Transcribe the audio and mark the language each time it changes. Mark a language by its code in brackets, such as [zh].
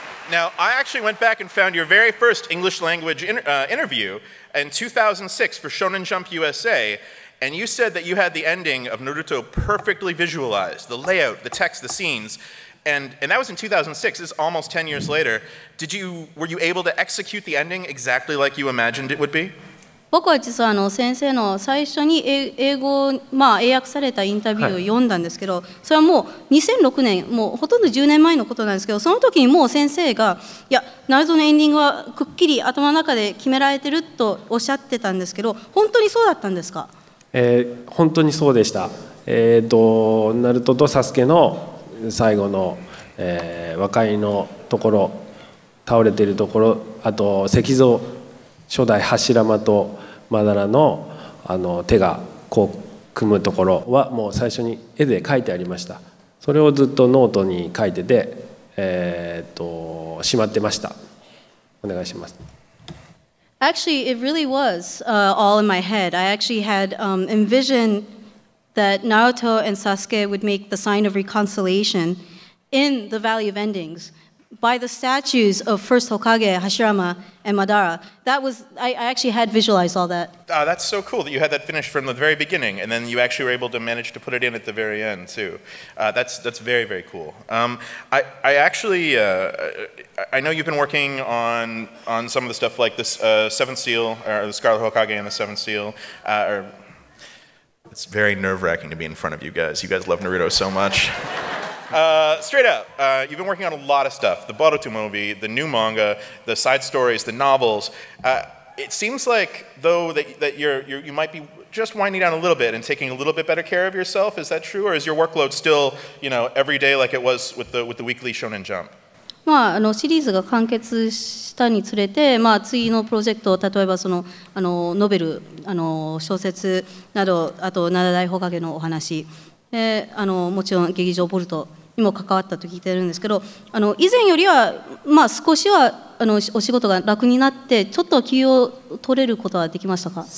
[en] Now, I actually went back and found your very first English language interview in 2006 for Shonen Jump USA, And you said that you had the ending of Naruto perfectly visualized, the layout, the text, the scenes. And that was in 2006, this is almost 10 years later. Were you able to execute the ending exactly like you imagined it would be? [ja] 僕は実はあの先生の最初に英語、まあ、英訳されたインタビューを読んだんですけど、はい、それはもう2006年、もうほとんど10年前のことなんですけど、その時にもう先生が、いや、ナルトのエンディングはくっきり頭の中で決められてるとおっしゃってたんですけど、本当にそうだったんですか？本当にそうでした。ナルトとサスケの最後の、和解のところ、倒れているところ、あと石像、初代柱間とマダラ の手がこう組むところはもう最初に絵で描いてありました。それをずっとノートに書いてて、しまってました。お願いします。 [en] Actually, it really was all in my head. I actually had envisioned that Naruto and Sasuke would make the sign of reconciliation in the Valley of Endings by the statues of First Hokage, Hashirama, and Madara. That was, I actually had visualized all that. Ah, that's so cool that you had that finished from the very beginning, and then you actually were able to manage to put it in at the very end, too. That's very, very cool. I know you've been working on some of the stuff like this Seventh Seal, or the Scarlet Hokage and the Seventh Seal. It's very nerve-wracking to be in front of you guys. You guys love Naruto so much. straight up, you've been working on a lot of stuff. The Boruto movie, the new manga, the side stories, the novels. It seems like, though, that you might be just winding down a little bit and taking a little bit better care of yourself. Is that true? Or is your workload still, you know, every day like it was with the weekly Shonen Jump? [ja] まあ、あのシリーズが完結したにつれて、まあ、次のプロジェクト、例えばそのあのノベル、あの小説など、あと七代ホカゲのお話、あのもちろん劇場ボルトにも関わったと聞いてるんですけど、あの以前よりは、まあ、少しはあのお仕事が楽になって、ちょっと休養を取れることはできましたか？